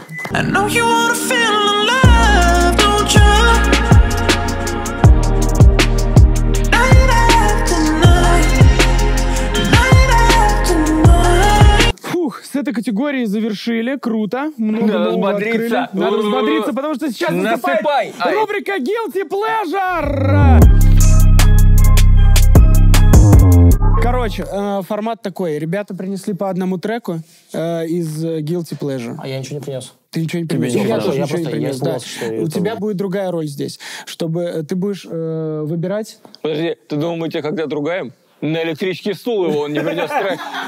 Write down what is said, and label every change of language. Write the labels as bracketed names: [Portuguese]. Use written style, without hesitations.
[English] I know you wanna feel alive, don't you? Night after night, night after night. [Russian] Фух, с этой категории завершили. Круто. Много надо взбодриться. Открыли. Надо взбодриться, потому что сейчас насыпай. Рубрика Guilty Pleasure. Короче, формат такой. Ребята принесли по одному треку из Guilty Pleasure. А я ничего не принес. Ты ничего не принес? Я тоже ничего не принес. Да. У тебя будет другая роль здесь. Чтобы ты будешь выбирать... Подожди, ты думал, мы тебя когда-то ругаем? На электрический стул его он не принес трек.